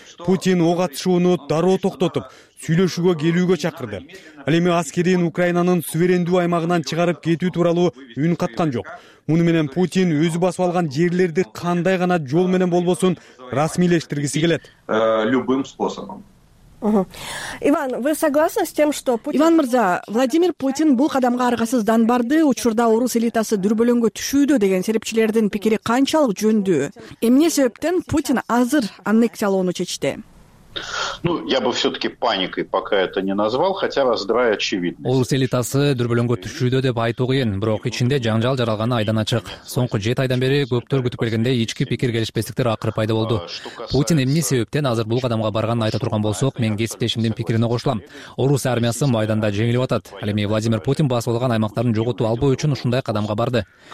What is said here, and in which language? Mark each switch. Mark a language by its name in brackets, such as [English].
[Kyrgyz] Путин ок атышууну дароо токтотуп, сүйлөшүүгө келүүгө чакырды. Ал эми аскерин Украинанын суверендүү аймагынан чыгарып кетүү тууралуу үн каткан жок. Муну менен Путин өзү басып алган жерлерди кандай гана жол менен болбосун расмийлештиргиси келет. [Russian] Любым способом. Иван, вы согласны с тем, что Путин... [Kyrgyz] Иван мырза, Владимир Путин бул кадамга аргасыздан барды, учурда орус элитасы дүрбөлөңгө түшүүдө деген серепчилердин пикири канчалык жөндүү? Эмне себептен Путин азыр аннексиялоону чечти? [Russian] Ну, я бы все-таки паникой пока это не назвал, хотя раздрай очевидность. [Kyrgyz] Орус элитасы дүрбөлөңгө түшүүдө деп айтуу кыйын, бирок ичинде жаңжал жаралганы айдан ачык. Соңку 7 айдан бери көптөр күтүп келгендей ички пикир келишпестиктер акыры пайда болду. Путин эмне себептен азыр бул кадамга барганын айта турган болсок, мен кесиптешимдин пикирине кошулам. Орус армиясы майданда жеңилип атат, ал эми Владимир Путин басып алган аймактарын жоготуп албоо үчүн ушундай кадамга барды.